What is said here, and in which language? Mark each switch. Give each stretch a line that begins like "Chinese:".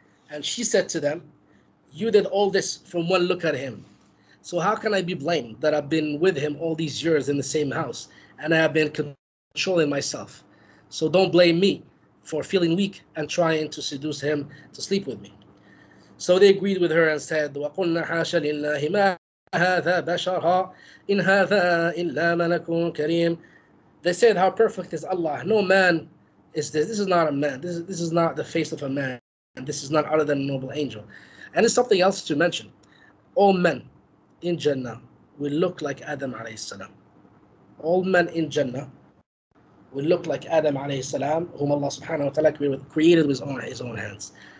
English: And she said to them, you did all this from one look at him. So how can I be blamed that I've been with him all these years in the same house and I have been controlling myself? So don't blame me for feeling weak and trying to seduce him to sleep with me. So they agreed with her and said,
Arabic: وَقُلْنَا حَاشَ لِلَّهِ مَا هَذَا بَشَرًا إِنْ هَذَا إِلَّا مَلَكٌ كَرِيمٌ.
English: They said, how perfect is Allah? No man is this. This is not a man. This is not the face of a man. And this is not other than a noble angel. And it's something else to mention. All men in Jannah will look like Adam alayhi salam. All men in Jannah will look like Adam alayhi salam, whom Allah subhanahu wa ta'ala created with his own hands.